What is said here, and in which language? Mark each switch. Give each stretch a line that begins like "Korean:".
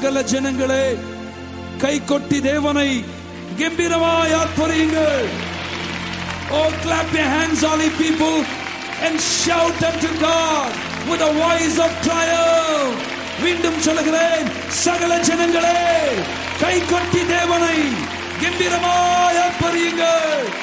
Tamil: ஜனங்களே, கை கொட்டி தேவனை கம்பீரமாய் ஆர்ப்பரியுங்கள்.
English: Oh, clap your hands, all you people, and shout unto God with a voice of triumph.
Tamil: மீண்டும் சொல்கிறேன், சகல ஜனங்களே, கை கொட்டி தேவனை கம்பீரமாய் ஆர்ப்பரியுங்கள்.